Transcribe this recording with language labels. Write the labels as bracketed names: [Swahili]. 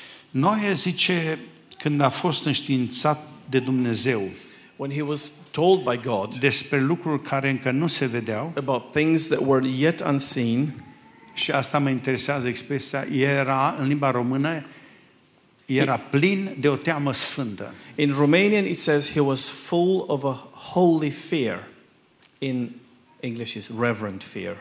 [Romanian] Noe zice când a fost înștiințat de Dumnezeu. [English] When he was told by God. [Romanian] Despre lucruri care încă nu se vedeau. [English] About things that were yet unseen. [Romanian] Și asta mă interesează expresia. Era în limba română. Era plin de o teamă sfântă. [English] In Romanian it says he was full of a holy fear. In English is reverent fear.